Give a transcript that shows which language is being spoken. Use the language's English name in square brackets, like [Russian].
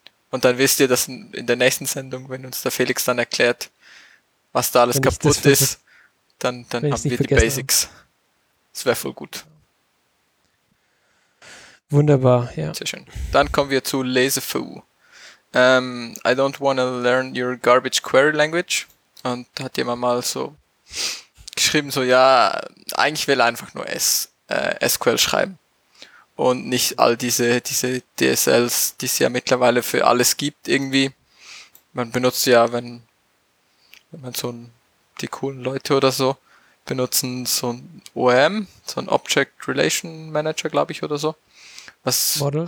[German] Und dann wisst ihr, dass in der nächsten Sendung, wenn uns der Felix dann erklärt, was da alles wenn kaputt ist, dann haben wir die Basics. Das wäre voll gut. Wunderbar, ja. Sehr schön. Dann kommen wir zu Lazyfoo. [English] I don't wanna learn your garbage query language. [German] Und da hat jemand mal so geschrieben, so, ja, eigentlich will er einfach nur SQL schreiben. Und nicht all diese DSLs, die es ja mittlerweile für alles gibt, irgendwie. Man benutzt ja, wenn man so ein, die coolen Leute oder so, benutzen so ein OM, so ein Object Relation Manager, glaube ich, oder so. Was Model.